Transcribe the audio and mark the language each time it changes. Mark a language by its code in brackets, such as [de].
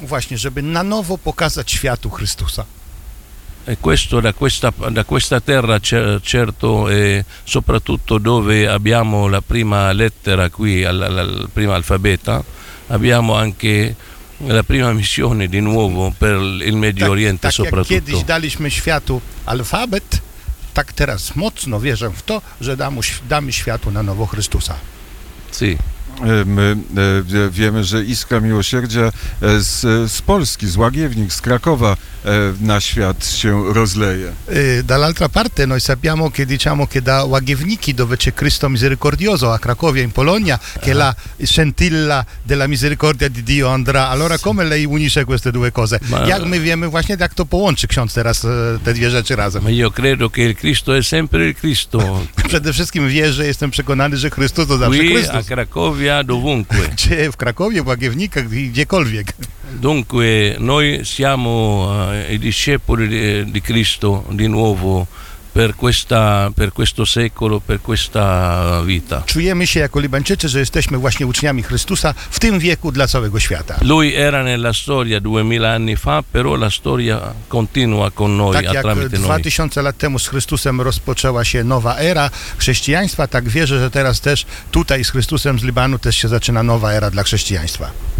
[pl] Właśnie, żeby na nowo pokazać światu Chrystusa. [it] E questo da questa terra certo e soprattutto dove abbiamo la prima lettera qui la prima alfabeta. Abbiamo anche la prima missione di nuovo per il Medio Oriente soprattutto. [pl] Tak jak kiedyś daliśmy światu alfabet, tak teraz mocno wierzę w to, że damy światu na nowo Chrystusa. [it] Sì. [pl] My wiemy, że Iskra Miłosierdzia z Polski, z Łagiewnik, z Krakowa na świat się rozleje. [it] Dall'altra parte noi sappiamo che diciamo che da Łagiewniki dove c'è Cristo Misericordioso a Cracovia in Polonia che la scintilla della misericordia di Dio andrà. Allora sì. Come lei unisce queste due cose? [pl] Jak my wiemy właśnie jak to połączy ksiądz teraz te dwie rzeczy razem? [it] Ma io credo che il Cristo è sempre il Cristo. [pl] Przede wszystkim wierzę, jestem przekonany, że Chrystus to zawsze Chrystus. [it] A Cracovia dovunque. Cioè, in Cracovia, in Łagiewnika, gdziekolwiek. Dunque, noi siamo i discepoli di Cristo di nuovo per questo secolo, per questa vita. [pl] Czujemy się jako Libańczycy, że jesteśmy właśnie uczniami Chrystusa w tym wieku dla całego świata. [it] Lui era nella storia 2000 anni fa, però la storia continua con noi, [pl] tak [it] tramite noi. [pl] 2000 lat temu z Chrystusem rozpoczęła się nowa era chrześcijaństwa, tak wierzę, że teraz też tutaj z Chrystusem z Libanu też się zaczyna nowa era dla chrześcijaństwa.